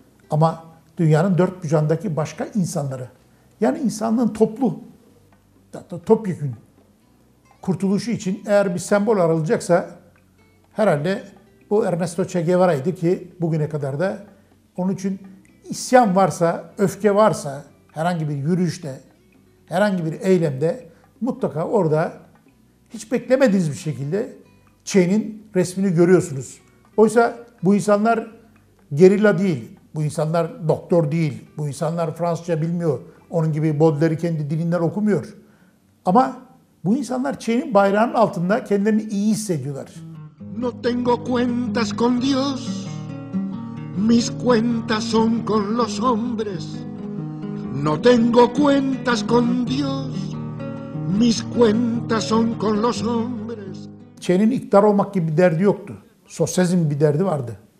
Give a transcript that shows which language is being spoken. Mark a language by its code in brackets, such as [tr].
[tr] Ama dünyanın dört bucağındaki başka insanları, yani insanlığın toplu, topyekun kurtuluşu için eğer bir sembol aralacaksa herhalde bu Ernesto Che Guevara'ydı ki bugüne kadar da onun için isyan varsa, öfke varsa herhangi bir yürüyüşte, herhangi bir eylemde mutlaka orada hiç beklemediğiniz bir şekilde Che'nin resmini görüyorsunuz. Oysa bu insanlar gerilla değil, bu insanlar doktor değil, bu insanlar Fransızca bilmiyor, onun gibi Baudelaire'i kendi dilinden okumuyor. Ama bu insanlar Che'nin bayrağının altında kendilerini iyi hissediyorlar. [es] No tengo cuentas con Dios, mis cuentas son con los hombres. No tengo cuentas con Dios, mis cuentas son con los hombres. [tr] Che'nin iktidar olmak gibi bir derdi yoktu. Sosyalizm bir derdi vardı.